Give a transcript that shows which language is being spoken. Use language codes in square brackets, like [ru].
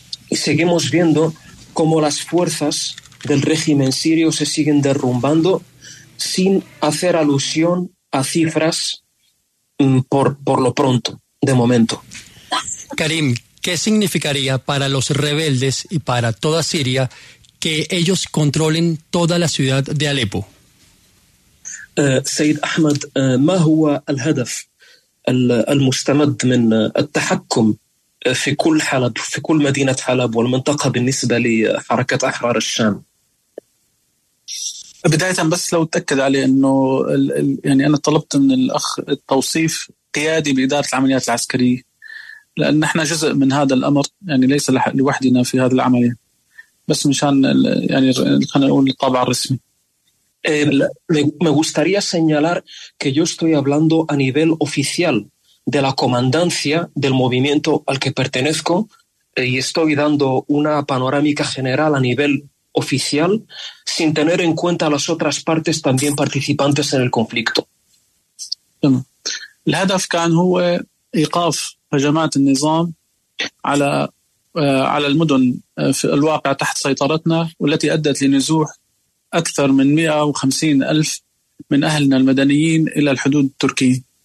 [es] Y seguimos viendo cómo las fuerzas del régimen sirio se siguen derrumbando sin hacer alusión a cifras por lo pronto, de momento. Karim, ¿qué significaría para los rebeldes y para toda Siria que ellos controlen toda la ciudad de Alepo? [ar] سيد أحمد, ما هو الهدف المستمد من التحكم في كل حلب في كل مدينة حلب والمنطقة بالنسبة لحركة أحرار الشام؟ بداية بس لو تأكد عليه أنه يعني أنا طلبت من الأخ التوصيف قيادي بإدارة العمليات العسكرية، لأن احنا جزء من هذا الأمر، يعني ليس لوحدنا في هذه العملية، بس مشان يعني خلينا نقول الطابع الرسمي. [es] Me gustaría señalar que yo estoy hablando a nivel oficial de la comandancia del movimiento al que pertenezco y estoy dando una panorámica general a nivel oficial sin tener en cuenta las otras partes también participantes en el conflicto. [ar] El هدف كان هو إيقاف هجمات النظام على المدن الواقعة تحت سيطرتنا والتي أدت لنزوح أكثر من 150 ألف من أهلنا المدنيين إلى الحدود التركية.